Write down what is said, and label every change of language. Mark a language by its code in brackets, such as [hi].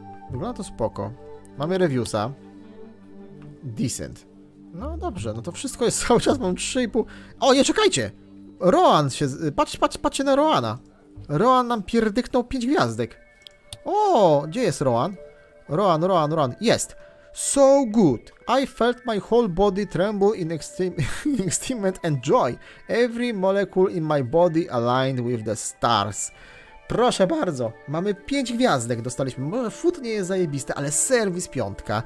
[pl] Wygląda to spoko. Mamy reviewsa. Decent. No dobrze, no to wszystko jest cały czas, mam 3,5. O nie, czekajcie! Rohan się... Patrzcie na Rohana. Rohan nam pierdyknął 5 gwiazdek. O, gdzie jest Rohan? Rohan. Jest! [en] So good! I felt my whole body tremble in extreme and joy. Every molecule in my body aligned with the stars. [pl] Proszę bardzo, mamy 5 gwiazdek dostaliśmy. Food nie jest zajebiste, ale serwis 5.